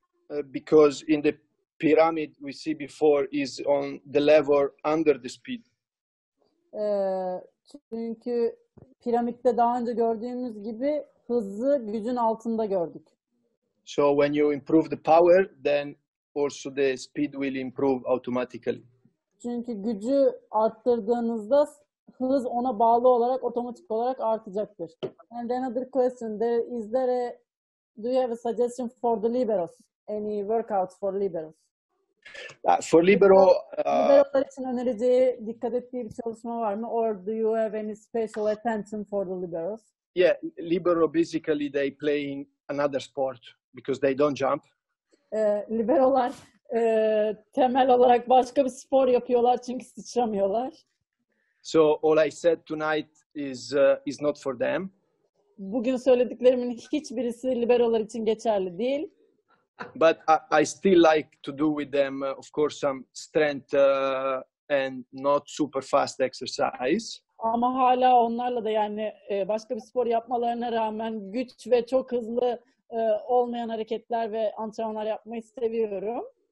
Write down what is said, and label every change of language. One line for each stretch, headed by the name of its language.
English: Because in the pyramid we see before is on the lever under the speed.
Turkish: Çünkü piramitte daha önce gördüğümüz gibi hızı gücün altında gördük.
English: So when you improve the power, then also the speed will improve automatically.
Turkish: Çünkü gücü arttırdığınızda hız ona bağlı olarak otomatik olarak artacaktır.
English: And another question, do you have a suggestion for the liberos? Any workouts for liberos? For libero...
Turkish: Liberolar için önereceği, dikkat ettiği bir çalışma var mı?
English: Or do you have any special attention for the liberos? Yeah, libero basically they play in another sport. Because they don't jump.
Turkish: Liberolar temel olarak başka bir spor yapıyorlar çünkü sıçramıyorlar.
English: So all I said tonight is not for them.
Turkish: Bugün söylediklerimin hiçbirisi liberolar için geçerli değil.
English: But I still like to do with them, of course, some strength and not super fast exercise.
Turkish: Ama hala onlarla da yani başka bir spor yapmalarına rağmen güç ve çok hızlı olmayan hareketler ve antrenmanlar yapmayı seviyorum.